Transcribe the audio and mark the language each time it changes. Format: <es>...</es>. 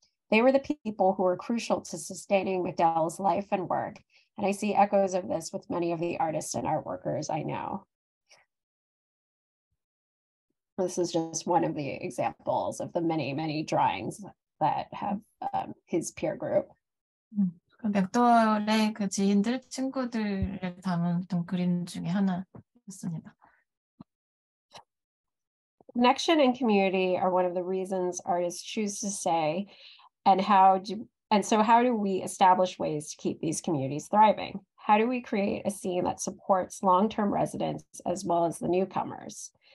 <en>They were the people who were crucial to sustaining McDowell's life and work. And I see echoes of this with many of the artists and art workers I know. This is just one of the examples of the many, many drawings that have his peer group.</en> <ko>맥도어의 그 지인들, 친구들을 담은 어떤 그림 중에 하나였습니다.</ko> <en>Connection and community are one of the reasons artists choose to stay. And so how do we establish ways to keep these communities thriving? How do we create a scene that supports long-term residents as well as the newcomers?</en>